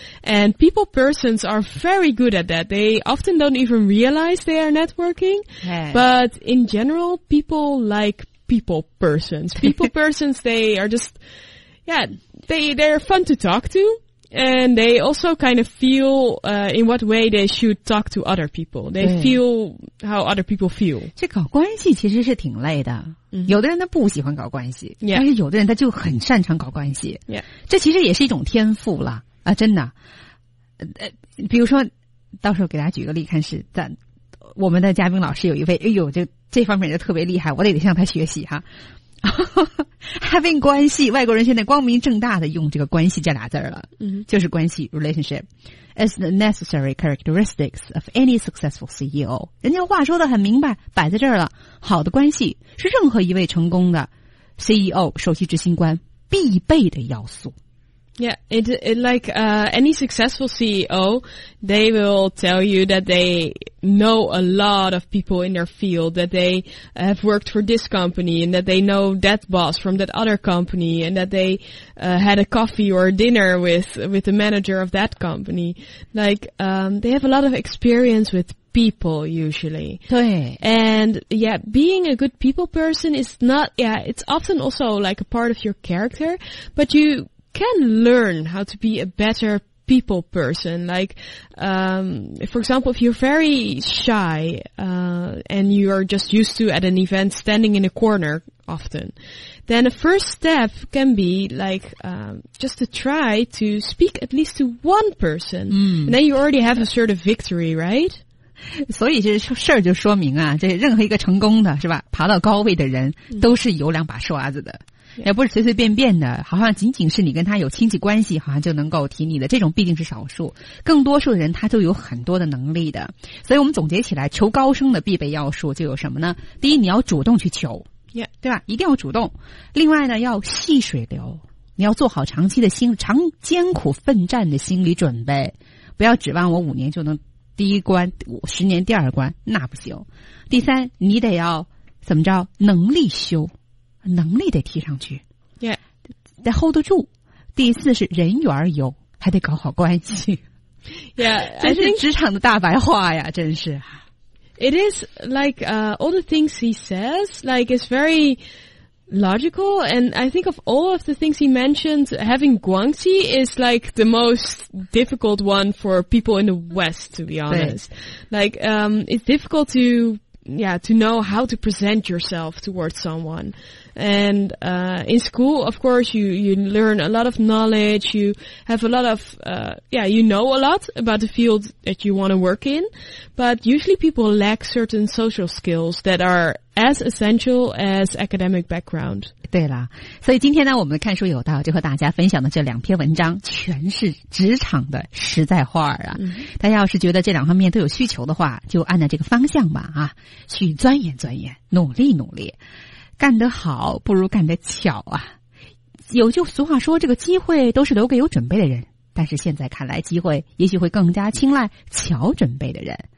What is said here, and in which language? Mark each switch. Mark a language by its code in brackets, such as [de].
[en] And people persons are very good at that. They often don't even realize they are networking. Hey. But in general, people like people persons. People persons, they are just, yeah, they're fun to talk to. And they also kind of feel, in what way they should talk to other people. They feel how other people feel. [zh] 这搞关系其实是挺累的。 Mm-hmm. 有的人他不喜欢搞关系、 [en] yeah. [zh] 但是有的人他就很擅长搞关系。 [en] Yeah. [zh] 这其实也是一种天赋了啊，真的。比如说到时候给大家举个例，看是在我们的嘉宾老师有一位，哎呦，就这方面就特别厉害，我得向他学习哈。 Having 关系，外国人现在光明正大的用这个关系这俩字儿了、 mm-hmm. 就是关系 [en] relationship is the necessary characteristics of any successful CEO. [zh] 人家话说的很明白，摆在这儿了，好的关系是任何一位成功的 CEO 首席执行官必备的要素。 [en] Yeah, it like, any successful CEO, they will tell you that they know a lot of people in their field, that they have worked for this company, and that they know that boss from that other company, and that they, had a coffee or a dinner with the manager of that company. Like, they have a lot of experience with people, usually. [zh] 对。 [en] And, yeah, being a good people person is not, yeah, it's often also like a part of your character, but youcan learn how to be a better people person. Like, for example, if you're very shy, and you are just used to at an event standing in a corner often, then a first step can be like, just to try to speak at least to one person. Mm. And then you already have a sort of victory, right? [zh] 所以这事儿就说明啊，这任何一个成功的是吧，爬到高位的人都是有两把刷子的。也不是随随便便的，好像仅仅是你跟他有亲戚关系好像就能够提你的，这种毕竟是少数，更多数的人他就有很多的能力的。所以我们总结起来，求高升的必备要素就有什么呢？第一，你要主动去求，对吧，一定要主动。另外呢，要细水流，你要做好长期的心长艰苦奋战的心理准备，不要指望我五年就能第一关，我十年第二关，那不行。第三，你得要怎么着，能力修，能力得提上去，得 hold 得住。第四是人缘有，还得搞好关系。 [en] Yeah, [zh] 这是职场的大白话呀，真是。 [en] It is like, all the things he says, like, it's very logical, and I think of all of the things he mentioned, having Guangxi is like the most difficult one for people in the West, to be honest. Like, it's difficult to, yeah, to know how to present yourself towards someone. And, in school, of course, you learn a lot of knowledge, you have a lot of, yeah, you know a lot about the field that you want to work in, but usually people lack certain social skills that are as essential as academic background. [zh] 对了，所以今天呢，我们看书有道就和大家分享的这两篇文章全是职场的实在话啊。嗯，大家要是觉得这两方面都有需求的话，就按照这个方向吧，啊，去钻研钻研，努力努力。干得好不如干得巧啊，有句俗话说，这个机会都是留给有准备的人，但是现在看来，机会也许会更加青睐巧准备的人。